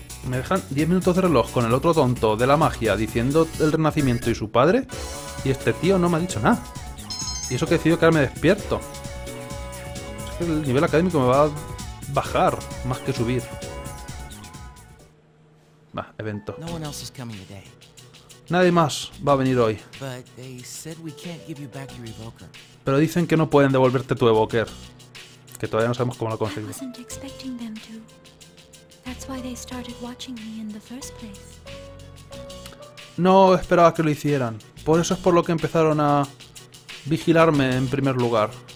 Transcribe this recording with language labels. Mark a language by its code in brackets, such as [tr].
[es] me dejan 10 minutos de reloj con el otro tonto de la magia diciendo el renacimiento y su padre, y este tío no me ha dicho nada. Y eso que decido quedarme despierto. Es que el nivel académico me va a bajar más que subir. Va, evento. [en] No one else is coming today. [es] Nadie más va a venir hoy. [en] But they said we can't give you back your evoker. [es] Pero dicen que no pueden devolverte tu evoker. Que todavía no sabemos cómo lo conseguimos. [en] I wasn't expecting them to. That's why they started watching me in the first place. [es] No esperaba que lo hicieran. Por eso es por lo que empezaron a vigilarme en primer lugar.